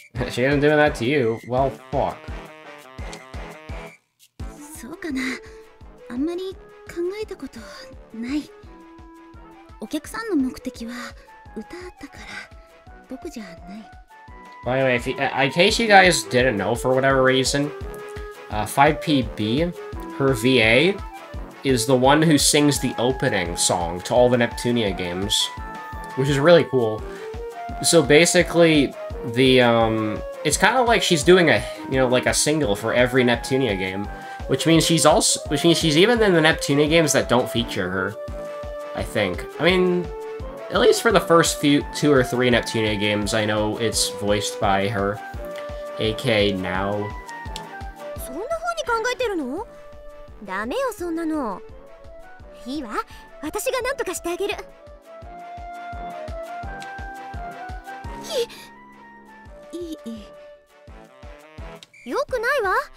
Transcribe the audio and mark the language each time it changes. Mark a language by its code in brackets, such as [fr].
[en] She isn't doing that to you. Well, fuck. [ja] そうかな。あんまり考えたことない。お客さんの目的は歌ったから僕じゃない。 [en] By the way, in case you guys didn't know for whatever reason, 5PB, her VA,is the one who sings the opening song to all the Neptunia games, which is really cool. So basically, it's kind of like she's doing a, you know, like a single for every Neptunia game, which means she's even in the Neptunia games that don't feature her, I think. I mean, at least for the first few, two or three Neptunia games, I know it's voiced by her, aka Now. [ja] そんな風に考えてるの？ダメよそんなの。いいわ、私が何とかしてあげる。いい、いい。よくないわ。